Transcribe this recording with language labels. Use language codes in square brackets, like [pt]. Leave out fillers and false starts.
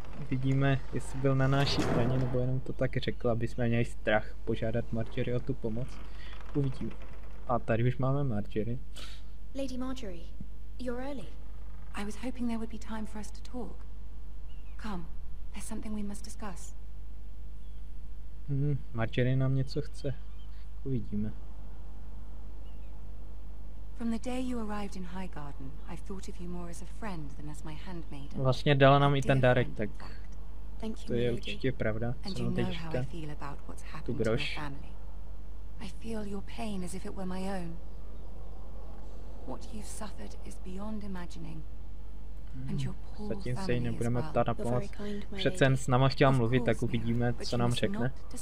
[cs] Vidíme, jestli byl na naší straně, nebo jenom to tak řekl, aby jsme měli strach požádat Marjorie o tu pomoc. Uvidíme. A tady už máme Marjorie. [en] Lady Marjorie, you're early. I was hoping there would be time for us to talk. Come, there's something we must discuss. [cs] Marjorie nám něco chce. Uvidíme. [en] From the day you arrived in Highgarden, I've thought of you more as a friend than as my handmaiden. [cs] Vlastně dala nám i ten dárek, tak to je určitě pravda, co nám teď říká. Tu groš. [en] I feel your pain as if it were my own. What you've suffered is beyond imagining. [cs] Zatím se jí nebudeme ptát na pomoc. Přece jen s náma chtěla mluvit, tak uvidíme, co nám řekne.